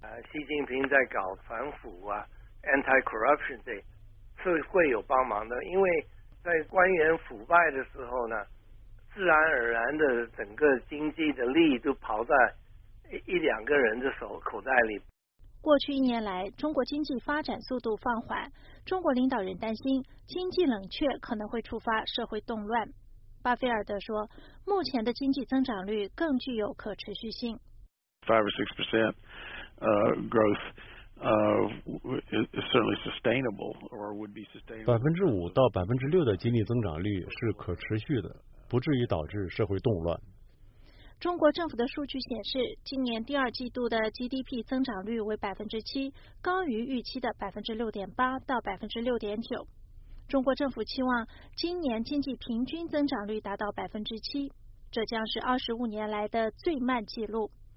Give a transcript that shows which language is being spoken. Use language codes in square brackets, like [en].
[zh] 习近平在搞反腐啊 ，anti-corruption 这是会有帮忙的，因为在官员腐败的时候呢，自然而然的整个经济的利益都跑在一两个人的手口袋里。过去一年来，中国经济发展速度放缓，中国领导人担心经济冷却可能会触发社会动乱。巴菲尔德说，目前的经济增长率更具有可持续性。 [en] 5 or 6%。 Growth is certainly sustainable, or would be sustainable. [zh] 5%-6%的经济增长率是可持续的，不至于导致社会动乱。中国政府的数据显示，今年第二季度的 GDP 增长率为7%，高于预期的6.8%-6.9%。中国政府期望今年经济平均增长率达到7%，这将是25年来的最慢记录。